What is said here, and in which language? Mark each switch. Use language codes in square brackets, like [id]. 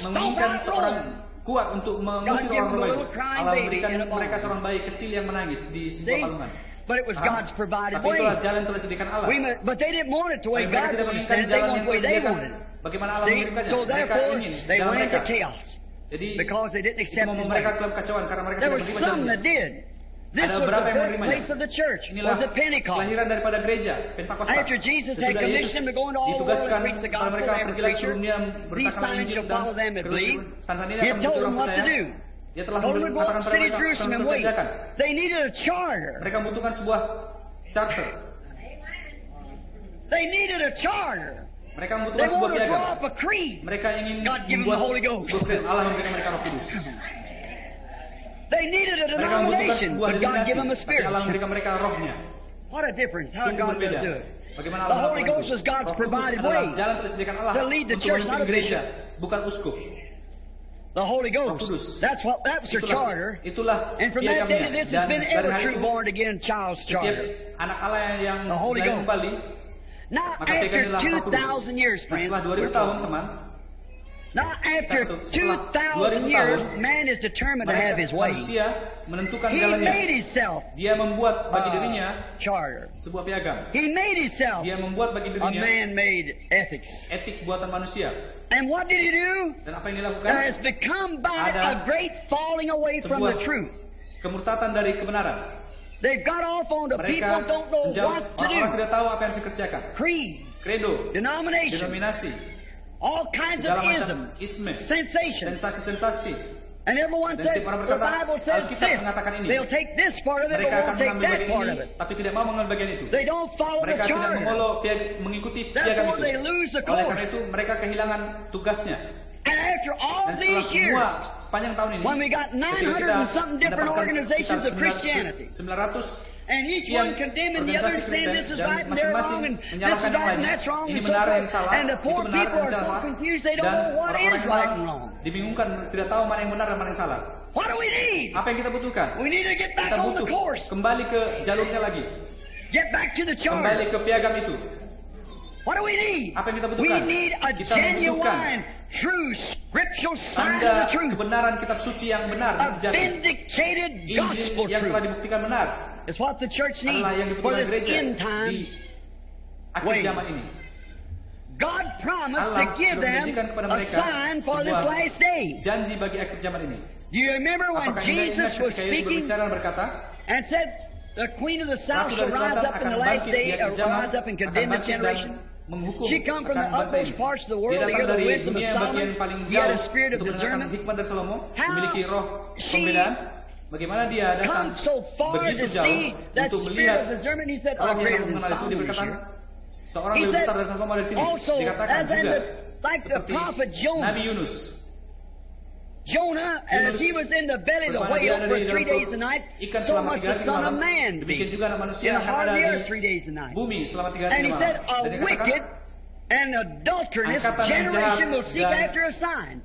[id] menginginkan seorang kuat untuk mengusir orang Romawi. Allah memberikan mereka seorang bayi kecil yang menangis di sebuah palungan. [en] But it was God's provided [id] way. Tapi itulah jalan telah disediakan Allah. [en] But they didn't want it to way God. [id] Mereka tidak menginginkan jalan yang telah disediakan. Bagaimana Allah mengirimkannya? Mereka ingin jalan mereka. Jadi, itu mereka kelam kacauan karena mereka tidak menerima jalannya. [en] This [id] ada berapa [en] was [id] yang menerimanya? [en] The church, [id] inilah [en] was Pentecost. [id] Kelahiran daripada gereja, Pentakosta. [en] After Jesus had commissioned to go into all the world and preach the gospel to every creature, these signs shall follow them and believe. He told them what to do. [id] Dia telah mengatakan kepada mereka untuk kerjakan. [en] They needed a charter. [id] Mereka membutuhkan sebuah charter. [en] They needed a charter. [id] Mereka membutuhkan sebuah piagam. Mereka ingin membuat sebuah [en] creed. [id] Allah memberikan mereka Roh Kudus. [en] They needed a denomination, but God gave them a spirit. [id] Allah memberikan mereka rohnya. [en] What a difference! How God does it? [id] Bagaimana Allah melakukannya? [en] The Holy Ghost is God's provided way. [id] Jalan tersediakan Allah [en] to lead the church, [id] untuk gereja, bukan uskup. [en] The Holy Ghost. [id] Kudus. [en] That's what. That's your charter. [id] Itulah. [en] And from that day, this has been ever true born again child's charter. [id] Anak Allah yang lahir kembali. [en] Not after 2,000 years, friends. [id] Setelah 2,000 tahun, teman. [en] Not after 2,000 years, man is determined to have his way. [id] Manusia menentukan [en] he made himself. [id] Dia membuat bagi dirinya [en] charter. [id] Sebuah piagam. [en] He made himself. [id] Dia membuat bagi dirinya [en] a man-made ethics. [id] Etik buatan manusia. [en] And what did he do? [id] Dan apa yang dilakukan? [en] There has become by a great falling away from the truth. [id] Kemurtatan dari kebenaran. [en] They've got off on the [id] mereka [en] people don't know what to do. [id] Orang tidak tahu apa yang dikerjakan. [en] Creeds, [id] credo, [en] denomination, [id] denominasi. [en] All kinds of isms, sensations, [id] sensasi-sensasi. [en] And everyone says, [id] berkata, [en] the Bible says this. They'll take this part of it, [id] mereka [en] but won't take that part [id] ini, [en] of it. [id] Tapi tidak mau mengambil bagian itu. [en] They don't follow [id] mereka [en] the charter. [id] Mengolo, mengikuti piagam itu. [en] They lose the course. [id] Oleh karena itu, mereka kehilangan tugasnya. [en] And after all [id] dan setelah [en] these [id] semua, [en] years, [id] sepanjang tahun ini, [en] when we got 900 and something different organizations of Christianity, and each one condemning the other, saying this is right and they're wrong, and this is right and that's wrong, and [id] benar, [en] so [id] yang salah, [en] and the poor [id] benar, [en] people are so confused they don't know what is right and wrong. [id] Dibingungkan, tidak tahu mana yang benar dan mana yang salah. [en] What do we need? [id] Apa yang kita butuhkan? [en] We need to get back on the course. [id] Kembali ke jalurnya lagi. [en] Get back to the charter. [id] Kembali ke piagam itu. [en] What do we need? [id] Apa yang kita butuhkan? [en] We need a [id] kita [en] genuine, true scriptural sign of the truth. [id] Kebenaran kitab suci yang benar dan sejati. [en] A vindicated gospel truth. [id] Yang telah dibuktikan benar. [en] It's what the church needs for this end time [id] akhir zaman ini. [en] God promised to give them a sign for this last day. [id] Janji bagi akhir zaman ini. [en] Do you remember when Jesus was speaking and said the queen of the south shall rise up in the last day, rise up and condemn this generation? She come from the utmost parts of the world, to hear the wisdom of Solomon. He had a spirit of discernment. How she [id] bagaimana dia datang [en] so far [id] begitu jauh untuk melihat orang yang mengenal itu? Dia berkata, seorang lebih besar dari Solomon dari sini. [en] Also, [id] dikatakan juga [en] the, like [id] seperti [en] Jonah, [id] Nabi Yunus. [en] Jonah, as he was in the belly of the whale for three days and nights, so must the Son of Man be in the heart of the earth 3 days and nights. And he said, a wicked and adulterous generation will seek after a sign.